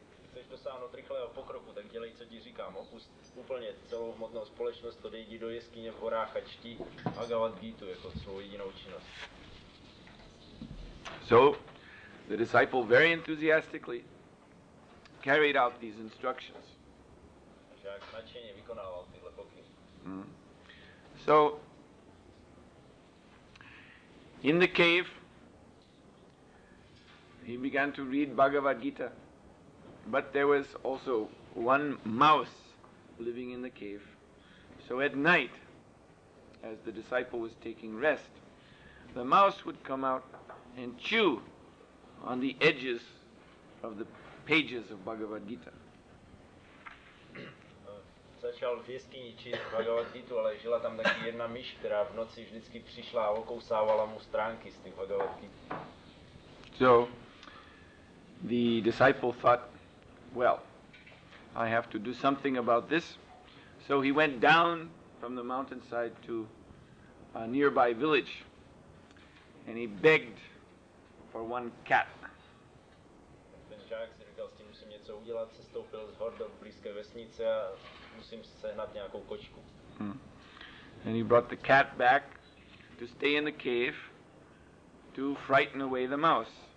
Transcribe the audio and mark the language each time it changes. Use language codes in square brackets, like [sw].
[cs] Chceš dosáhnout rychlého pokroku, tak dělej, co ti říkám. Opust úplně celou hmotnou společnost, odejdi do jeskyně v horách a čti Bhagavad Gita jako svou jedinou činnost. [en] So, the disciple very enthusiastically carried out these instructions. [cs] Žák nadšeně vykonával tyhle pokyny. [en] So, in the cave, he began to read Bhagavad Gita. But there was also one mouse living in the cave. So at night, as the disciple was taking rest, the mouse would come out and chew on the edges of the pages of Bhagavad Gita. [cs] Začal v jeskyni číst Bhagavad Gita, ale žila tam taky jedna myš, která v noci vždycky přišla a okousávala mu stránky z těch Bhagavad Gita. [en] So the disciple thought, well, I have to do something about this. So he went down from the mountainside to a nearby village and he begged for one cat. [cs] Ten žák si říkal, s tím musím něco udělat, sestoupil z hor do blízké vesnice a musím sehnat nějakou kočku. [en] And he brought the cat back to stay in the cave to frighten away the mouse.